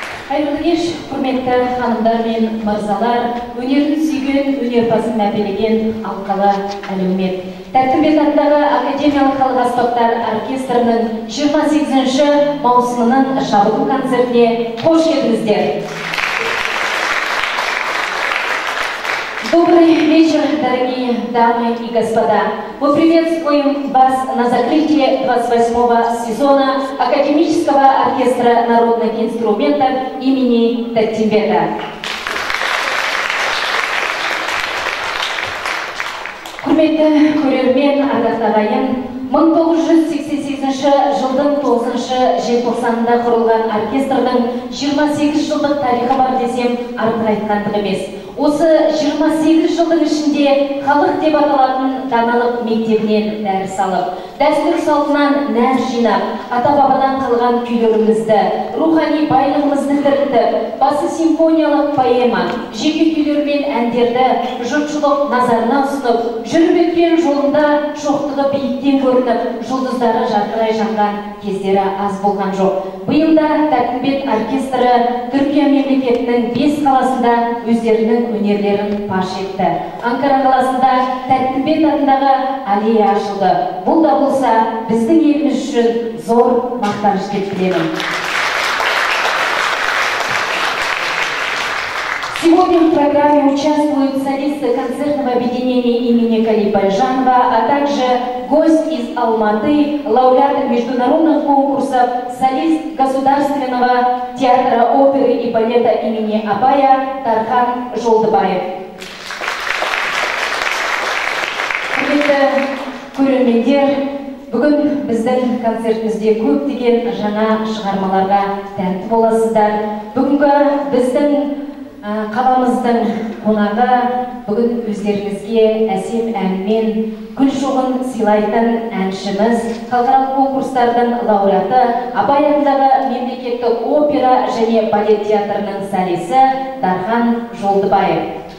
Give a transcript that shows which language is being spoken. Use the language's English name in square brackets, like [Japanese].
[Kazakh] Қайырлы кеш, құрметті ханымдар мен мырзалар, өнерін сүйген, өнерпазын мәпелеген алқалы әлеумет. Тәртіп бетаттағы Академиялық халық аспаптар оркестрінің 28-ші маусымының шабыту концертіне қош келдіңіздер. [Russian] Добрый вечер, дорогие дамы и господа. Мы приветствуем вас на закрытии 28-го сезона Академического оркестра народных инструментов имени Тактимбета. [Kazakh] Құрметті көрермен, ардақты ағайын, 1988 жылдың 9-шы желтоқсанында құрылған оркестрдің 28 жылдық тарихы бар десем, артық айтқандық емес. Осы 28 жылдың ішінде халық деп аталатын даналық мектебінен дәріс алып, дәстүр салтынан нәр жинап, ата-бабадан қалған күйлерімізді, рухани байлығымызды дәріптіп, басы симфониялық поэма, жеке күйлер мен әндерді жұртшылық назарына ұсынып, жүріп өткен жолында шоқтығы биіктен көрініп, жұлдыздары жарқырай жанған кездері аз болған жоқ. Биылда Тәттімбет оркестрі Түркия мемлекетінің 5 қаласында өздерінің өнерлерін паш етті. Анкара қаласында Тәттімбет атындағы аллея ашылды. Бұл да болса, біздің еліміз үшін зор мақтаныш деп білемін. [Russian] Сегодня в программе участвуют солисты концертного объединения имени Калибайжанова, а также гость из Алматы, лауреат международных конкурсов, солист Государственного театра оперы и балета имени Абая Тархан Жолдыбаев. [Kazakh] Құрметті көрермендер, бүгін біздің концертімізде көптеген жаңа шығармаларға тәнті боласыздар. Бүгінгі біздің қаламыздың қонағы бүгін өздеріңізге әсем әнмен гүл шоғын сыйлайтын әншіміз, халықаралық конкурстардың лауреаты, Абай атындағы мемлекеттік опера және балет театрының солисі Тархан Жолдыбаев.